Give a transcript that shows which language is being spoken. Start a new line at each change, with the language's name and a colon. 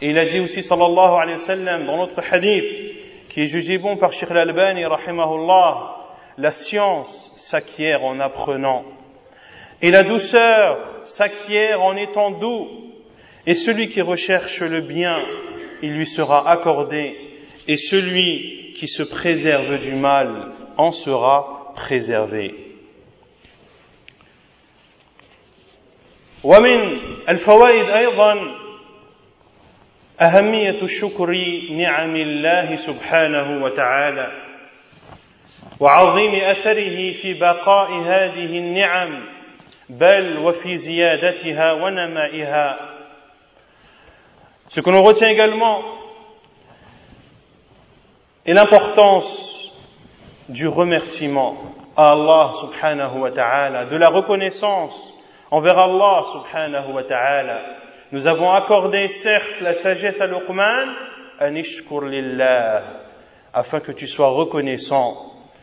French: Et il a dit aussi sallallahu alayhi wa sallam dans notre hadith qui est jugé bon par Cheikh l'Albani rahimahullah, la science s'acquiert en apprenant et la douceur s'acquiert en étant doux, et celui qui recherche le bien il lui sera accordé, et celui qui se préserve du mal en sera préservé.
Arabic: ومن الفوائد أيضا أهمية الشكر نعم الله سبحانه وتعالى وعظيم أثره في بقاء هذه النعم بل وفي زيادتها ونمائها.
French: Ce que l'on retient également est l'importance du remerciement à Allah سبحانه وتعالى, de la reconnaissance envers Allah سبحانه وتعالى. Nous avons accordé, certes, la sagesse à Luqman,
Arabic: anishkur lillah,
French: afin que tu sois reconnaissant.